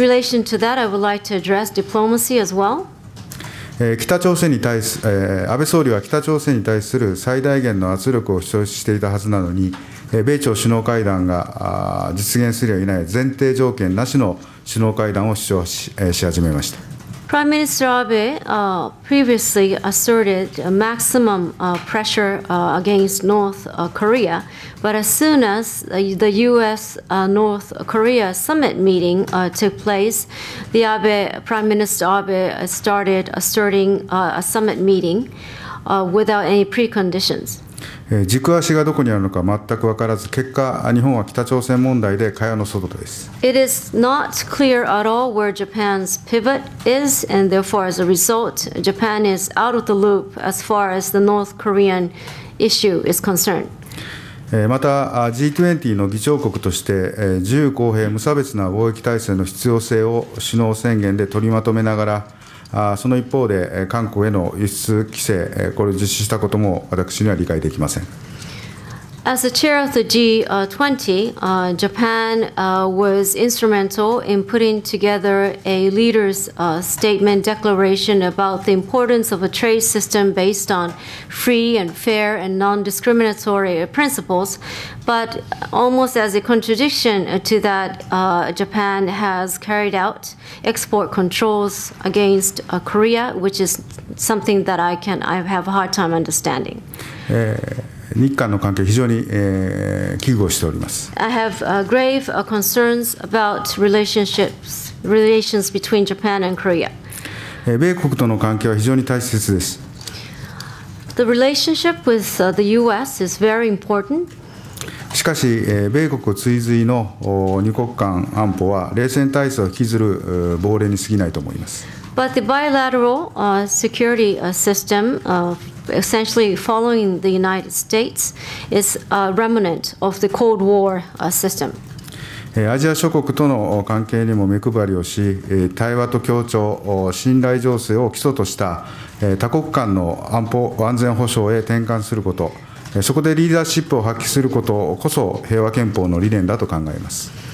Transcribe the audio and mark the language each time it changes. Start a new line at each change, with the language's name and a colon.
English: Relation to that, I would like to address diplomacy as well.
Japanese: 北朝鮮に対す、安倍総理は北朝鮮に対する最大限の圧力を主張していたはずなのに、米朝首脳会談が実現するやいない前提条件なしの首脳会談を主張 し始めました。
English: Prime Minister Abe previously asserted maximum pressure against North Korea, but as soon as the U.S. North Korea summit meeting took place, the Abe, Prime Minister Abe started asserting a summit meeting without any preconditions.
Japanese: 軸足がどこにあるのか全く分からず、結果、日本は北朝鮮問題で蚊帳の外です。
English: It is not clear at all where Japan's pivot is, and therefore, as a result, Japan is out of the loop as far as the North Korean issue is concerned.
Japanese: また、G20 の議長国として、自由公平無差別な貿易体制の必要性を首脳宣言で取りまとめながら、その一方で韓国への輸出規制、これを実施したことも私には理解できません。
English: As the chair of the G20, Japan was instrumental in putting together a leader's statement declaration about the importance of a trade system based on free and fair and non-discriminatory principles. But almost as a contradiction to that, Japan has carried out export controls against Korea, which is something that I have a hard time understanding.
Japanese: 日韓の関係非常に危惧をしております。
English: I have grave concerns about relations between Japan and Korea.
Japanese: 米国との関係は非常に大切です。
English: The relationship with the U.S. is very important.
Japanese: しかし、米国追随の二国間安保は冷戦体制を引きずる亡霊に過ぎないと思います。
English: But the bilateral security system, essentially following the United States, is a remnant of the Cold War system.
Japanese: アジア諸国との関係にも目配りをし、対話と協調、信頼醸成を基礎とした多国間の安保安全保障へ転換すること、そこでリーダーシップを発揮することこそ平和憲法の理念だと考えます。